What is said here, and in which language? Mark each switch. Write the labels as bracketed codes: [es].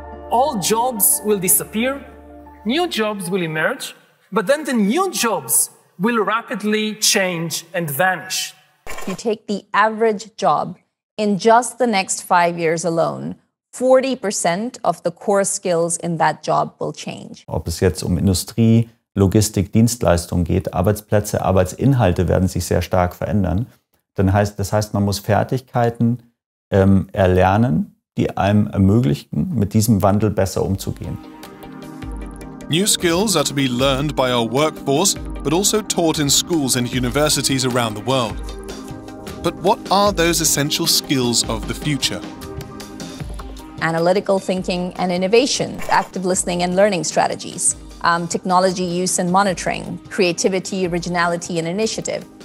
[en] All jobs will disappear, new jobs will emerge, but then the new jobs will rapidly change and vanish. You take the average job, in just the next 5 years alone, 40% of the core skills in that job will change. [de] Ob es jetzt Industrie, Logistik, Dienstleistung geht, Arbeitsplätze, Arbeitsinhalte werden sich sehr stark verändern. Das heißt, man muss Fertigkeiten erlernen, die einem ermöglichen, mit diesem Wandel besser umzugehen. [en] New skills are to be learned by our workforce, but also taught in schools and universities around the world. But what are those essential skills of the future? Analytical thinking and innovation, active listening and learning strategies, technology use and monitoring, creativity, originality and initiative.